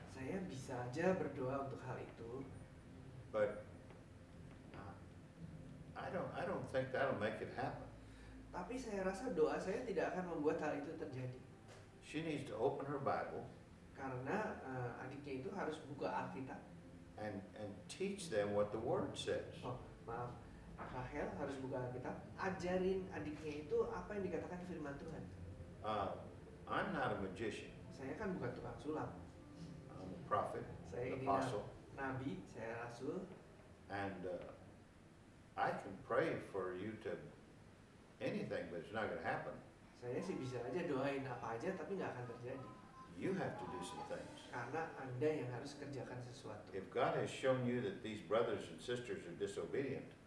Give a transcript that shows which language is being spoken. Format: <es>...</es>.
<id>Saya bisa aja berdoa untuk hal itu.</id> <en>But I don't think that'll make it happen.</en> <id>Tapi saya rasa doa saya tidak akan membuat hal itu terjadi.</id> <en>She needs to open her Bible.</en> <id>Karena adiknya itu harus buka Alkitab.</id> <en>And teach them what the word says.</en> <id>Oh, maaf. Rahel harus buka Alkitab. Ajarin adiknya itu apa yang dikatakan firman Tuhan.</id> <en>I'm not a magician.</en> <id>Saya kan bukan tukang sulap.</id> <en>I'm a prophet.</en> <id>Saya</id> <en>an apostle.</en> <id>Nabi, saya rasul.</id> <en>And I can pray for you to anything, but it's not going to happen.</en> <id>Saya sih bisa aja doain apa aja, tapi nggak akan terjadi.</id> <en>You have to do some things.</en> <id>Karena Anda yang harus kerjakan sesuatu.</id> <en>If God has shown you that these brothers and sisters are disobedient,</en>